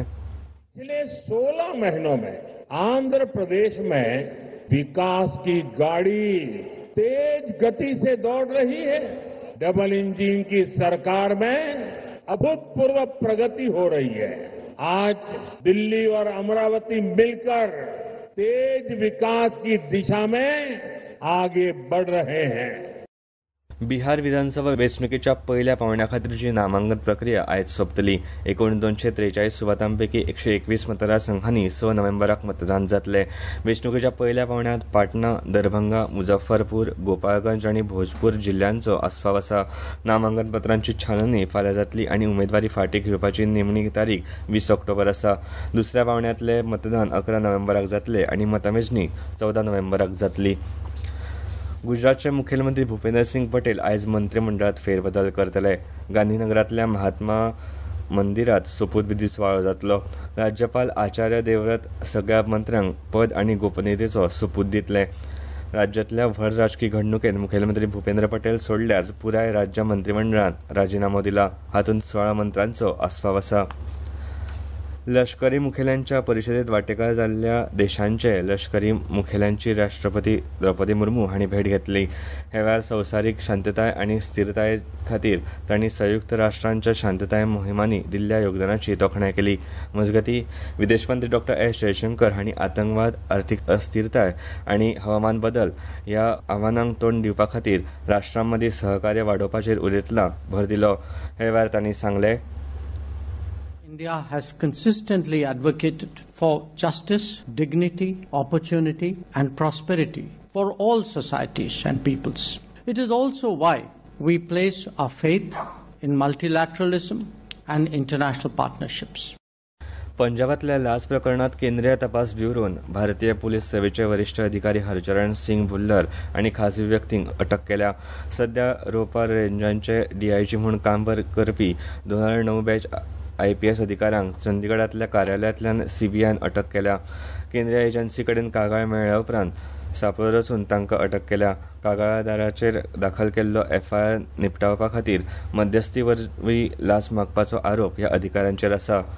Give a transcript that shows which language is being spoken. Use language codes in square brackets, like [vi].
[hi] 16 महिनों में आंध्र प्रदेश में विकास की गाडी तेज गति से दौड़ रही है. डबल इंजिन की सरकार में अभूतपूर्व प्रगति हो रही है. आज दिल्ली और अमरावती मिलकर तेज विकास की दिशा में आगे बढ़ रहे हैं. [kok] बिहार विधानसभा वेंचणुकेच्या पहिल्या पांवड्या खातीरची नामांकन प्रक्रिया आयज सोंपतली. 2243 सुवातांपैकी 121 मतदारसंघांनी 6 नोव्हेंबराक मतदान जातले. वेंचणुकेच्या पहिल्या पांवड्यात पाटणा, दरभंगा, मुझफ्फरपूर, गोपाळगंज आणि भोजपूर जिल्ह्यांचो आसपाव आसा. नामांकन पत्रांची छाननी फाल्यां जातली आणि उमेदवारी फाटी घेवपाची निमणी तारीख 20 ऑक्टोबर आसा. दुसऱ्या पांवड्यातले मतदान 11 नोव्हेंबराक जातले आणि मतमेजणी 14 नोव्हेंबराक जातली. गुजरातचे मुखेलमंत्री भुपेंद्र सिंग पटेल आयज मंत्रिमंडळात फेरबदल करतले. गांधीनगरातल्या महात्मा मंदिरात सोपुतविधी सुवाळो जातलो. राज्यपाल आचार्य देवव्रत सगळ्या मंत्र्यांक पद आणि गोपनियतेचो सोपूत दितले. राज्यातल्या व्हड राजकीय घडणुकेंत मुखेलमंत्री भुपेंद्र पटेल सोडल्यार पुराय राज्य मंत्रिमंडळान राजिनामो दिला. हातूंत 16 मंत्र्यांचो आसपाव आसा. लष्करी मुखेल्यांच्या परिषदेत वांटेकार जाल्ल्या देशांचे लष्करी मुखेल्यांची राष्ट्रपती द्रौपदी मुर्मू हांणी भेट घेतली. हे वेळार संवसारीक शांतताय आणि स्थिरताये खातीर तांणी संयुक्त राष्ट्रांच्या शांतताय मोहिमांनी दिल्ल्या योगदानाची तोखणाय केली. मजगती विदेश मंत्री डॉ एस जयशंकर हांणी आतंकवाद, आर्थिक अस्थिरताय आणि हवामान बदल ह्या आव्हानांक तोंड दिवपा खातीर राष्ट्रांमदी सहकार्य वाढोवपाचेर उलयतना भर दिलो. हे वेळार तांणी सांगले, [en] India has consistently advocated for justice, dignity, opportunity and prosperity for all societies and peoples. It is also why we place our faith in multilateralism and international partnerships. [kok] पंजाबातल्या लाच प्रकरणात केंद्रीय तपास ब्युरोन भारतीय पोलीस सेवेचे वरिष्ठ अधिकारी हरचरण सिंग भुल्लर आणि खासगी व्यक्तींक अटक केल्या. सध्या रोपर रेंजांचे डीआयजी म्हणून काम करपी 2009 बॅच आयपीएस अधिकाऱ्यांक चंदीगडातल्या कार्यालयातल्यान सीबीआयन अटक केल्या. केंद्रीय एजन्सी कडेन कागाळ मेळ्ळ्या उपरांत सापळो रचून तांकां अटक केल्या. कागाळदाराचेर दाखल केल्लो एफआयआर निपटावपा खातीर मध्यस्थी वरवीं लाच मागपाचो आरोप ह्या अधिकाऱ्यांचेर आसा.